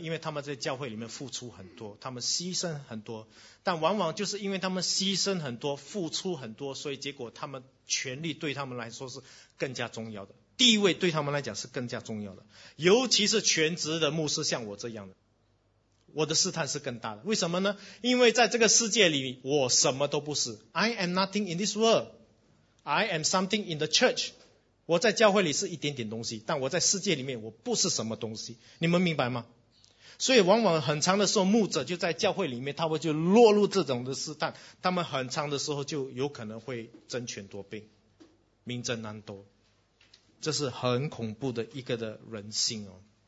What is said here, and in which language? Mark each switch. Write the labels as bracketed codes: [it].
[zh] 因为他们在教会里面付出很多，他们牺牲很多，但往往就是因为他们牺牲很多，付出很多，所以结果他们权力对他们来说是更加重要的，地位对他们来讲是更加重要的。尤其是全职的牧师，像我这样的，我的试探是更大的。为什么呢？因为在这个世界里我什么都不是。 [en] I am nothing in this world, I am something in the church。 [zh] 我在教会里是一点点东西，但我在世界里面我不是什么东西，你们明白吗？所以往往很长的时候牧者就在教会里面，他们就落入这种的试探，他们很长的时候就有可能会争权夺柄，明争难夺，这是很恐怖的一个的人性哦。